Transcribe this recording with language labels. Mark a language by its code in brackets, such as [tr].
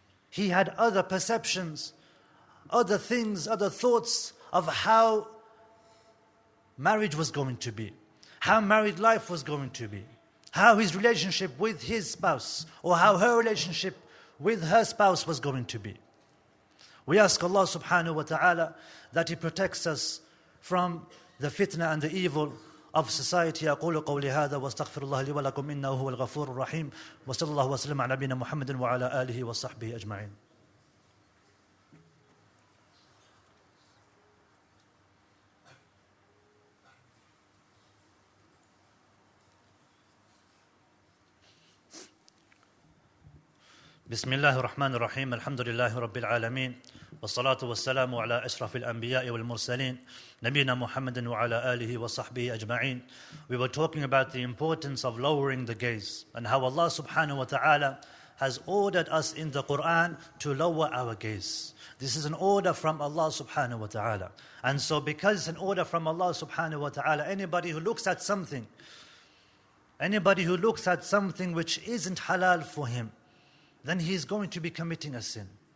[en] He had other perceptions, other things, other thoughts of how marriage was going to be, how married life was going to be, how his relationship with his spouse or how her relationship with her spouse was going to be. We ask Allah subhanahu wa ta'ala that He protects us from the fitna and the evil of society. [ar] أقول قولي هذا واستغفر الله لي ولكم إنه هو الغفور الرحيم وصلى الله وسلم على نبينا محمد وعلى آله وصحبه أجمعين. بسم الله الرحمن الرحيم الحمد لله رب العالمين والصلاة والسلام على أشرف الأنبياء والمرسلين نبينا محمد وعلى آله وصحبه أجمعين. [en] We were talking about the importance of lowering the gaze and how Allah subhanahu wa ta'ala has ordered us in the Quran to lower our gaze. This is an order from Allah subhanahu wa ta'ala. And so because it's an order from Allah subhanahu wa ta'ala, anybody who looks at something which isn't halal for him, then he's going to be committing a sin.